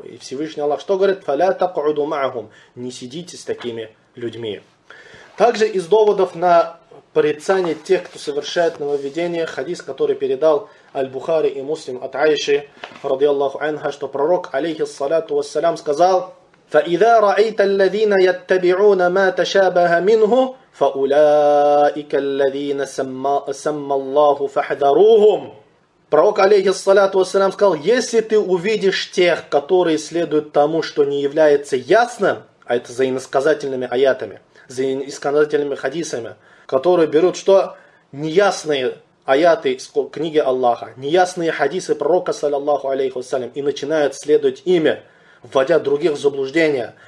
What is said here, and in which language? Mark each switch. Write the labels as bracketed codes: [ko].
[ru] И Всевышний Аллах что говорит? [ar] «Фаля такуду маахум». [ru] Не сидите с такими людьми. Также из доводов на порицание тех, кто совершает нововведение, хадис, который передал Аль-Бухари и Муслим от Аиши, радиаллаху анха, что пророк, алейхиссалату вассалям, сказал: [ar] فإذا رأيت الذين يتبعون ما تشابه منه فأولئك الذين سمى الله فاحذروهم. [ru] Пророк, алейхиссалату вассалям, сказал, если ты увидишь тех, которые следуют тому, что не является ясным, а это за иносказательными аятами, за иносказательными хадисами, которые берут что? Неясные аяты из книги Аллаха, неясные хадисы пророка, саллиллаху алейхи вассалям, и начинают следовать ими, вводя других в заблуждение.